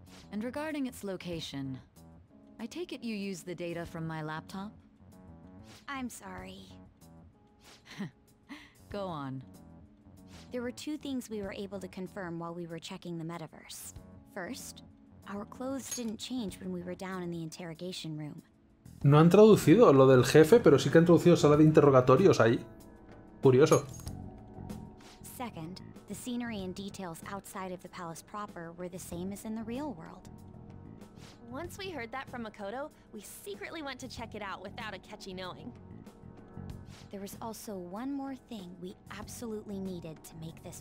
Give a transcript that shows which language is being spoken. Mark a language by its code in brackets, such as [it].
[en] And regarding its location, I take it you used the data from my laptop? I'm sorry. Go on. There were two things we were able to confirm while we were checking the metaverse. First, our clothes didn't change when we were down in the interrogation room. [es] No han traducido lo del jefe, pero sí que han traducido sala de interrogatorios ahí. Curioso. [en] Second, the scenery and details outside of the palace proper were the same as in the real world. Once we heard that from Makoto, we secretly went to check it out without Akechi knowing. There was also one more thing we absolutely needed to make this